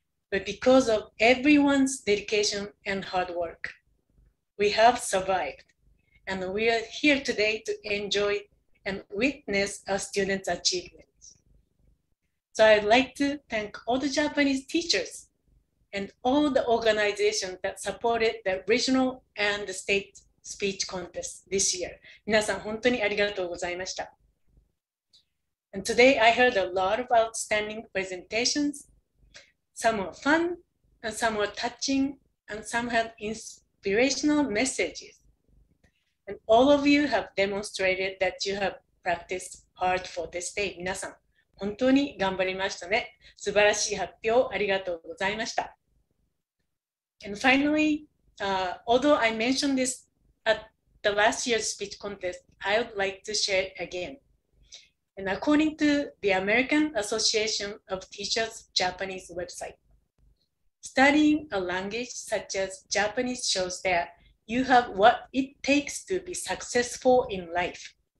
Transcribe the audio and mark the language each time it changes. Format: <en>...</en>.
<en>But because of everyone's dedication and hard work, we have survived, and we are here today to enjoy and witness our students' achievements. So I'd like to thank all the Japanese teachers and all the organizations that supported the regional and the state speech contest this year.</en> <ja>皆さん本当にありがとうございました。</ja> <en>And today I heard a lot of outstanding presentations. Some were fun, and some were touching, and some had inspirational messages. And all of you have demonstrated that you have practiced hard for this day.</en> <ja>皆さん本当に頑張りましたね。素晴らしい発表ありがとうございました。</ja> <en>And finally, although I mentioned this at the last year's speech contest, I would like to share it again. And according to the American Association of Teachers Japanese website, studying a language such as Japanese shows that you have what it takes to be successful in life.</en>